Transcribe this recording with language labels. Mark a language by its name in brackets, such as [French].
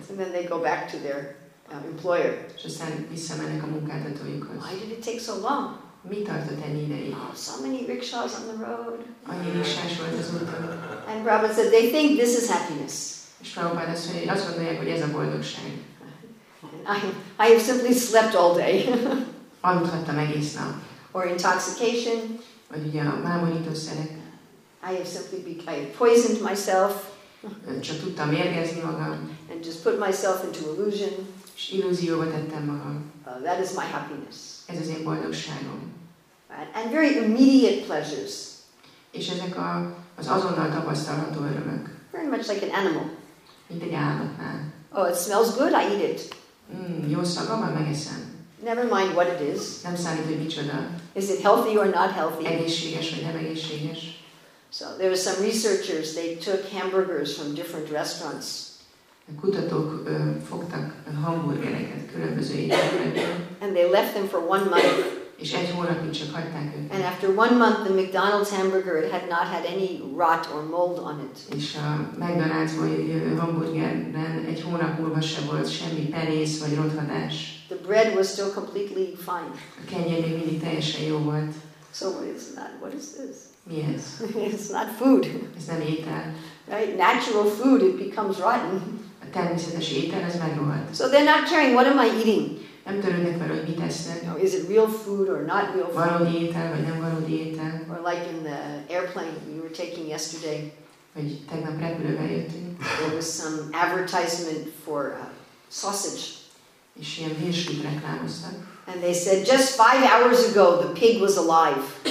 [English] And then they go back to their employer. [Hungarian] És aztán visszamennek a munkáltatójukhoz. [English] Why did it take so long? [Hungarian] Mi tartott ennyi ideig? [English] Oh, so many rickshaws on the road. [Hungarian] Annyi rickshás volt az úton. [English] And Prabhupada said, they think this is happiness. [Hungarian] És Prabhupada azt mondja, azt gondolják, hogy ez a boldogság. [English] I have simply slept all day. [Hungarian] Aludhattam egész nap. [English] Or intoxication. [Hungarian] Vagy ugye a mámorítószerek. [English] I have simply poisoned myself. [Hungarian] Csak tudtam mérgezni magam. [English] And just put myself into illusion. [Hungarian] És illúzióba tettem magam. [English] That is my happiness. [Hungarian] Ez az én boldogságom. [English] And very immediate pleasures. [Hungarian] És ezek az azonnal tapasztalható örömök. [English] Very much like an animal. [Hungarian] Mint egy állatnál. [English] Oh, it smells good, I eat it. [Hungarian] Jó szaga, már megeszem. [English] Never mind what it is. [Hungarian] Nem számít, hogy micsoda. [English] Is it healthy or not healthy? [Hungarian] Egészséges vagy nem egészséges. [English] So there were some researchers, they took hamburgers from different restaurants. [Hungarian] A kutatók fogtak hamburgereket különböző étteremből. [English] And they left them for 1 month. [Hungarian] És egy hónapig csak hagyták őket. [English] And after 1 month, the McDonald's hamburger had not had any rot or mold on it. [Hungarian] És a McDonald's-ból jövő hamburgerben egy hónap múlva se volt semmi penész vagy rothadás. [English] The bread was still completely fine. [Hungarian] A kenyér még mindig teljesen jó volt. [English] So it's not, what is this? [Hungarian] Mi ez? [English] It's not food. [Hungarian] Ez nem étel. [English] Right? Natural food, it becomes rotten. [Hungarian] A természetes étel, ez megrohadt. [English] So they're not caring, what am I eating? [Hungarian] Nem törődnek vele, hogy mit esznek. [English] No, is it real food or not real food? [Hungarian] Valódi étel, vagy nem valódi étel? [English] Or like in the airplane we were taking yesterday. [Hungarian] Vagy tegnap repülővel jöttünk. [English] There was some advertisement for sausage. [Hungarian] És ilyen hírsült reklámoztak. [English] And they said, just 5 hours ago, the pig was alive.